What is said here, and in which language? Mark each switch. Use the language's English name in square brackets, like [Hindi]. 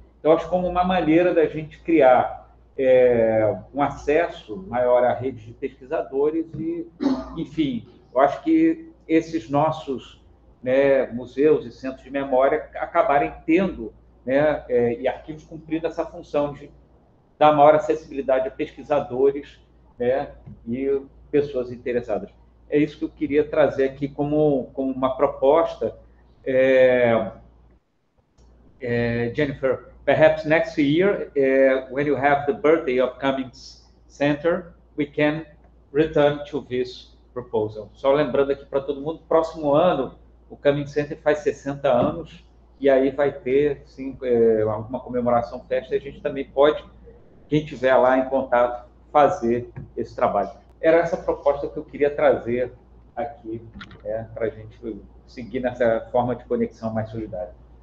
[Portuguese] Então, acho como uma maneira da gente criar um acesso maior à rede de pesquisadores e, enfim, eu acho que esses nossos, né, museus e centros de memória acabarem tendo, né, e arquivos cumprindo essa função de dar maior acessibilidade a pesquisadores, né, e pessoas interessadas. É isso que eu queria trazer aqui como uma proposta. [English] Jennifer, perhaps next year, when you have the birthday of Cumming Center, we can return to this proposal. [Portuguese] Só lembrando aqui para todo mundo, próximo ano o Cumming Center faz 60 anos e aí vai ter alguma comemoração, festa, e a gente também pode, quem estiver lá em contato, fazer esse trabalho. Era essa proposta que eu queria trazer aqui para a gente seguir nessa forma de conexão mais solidária.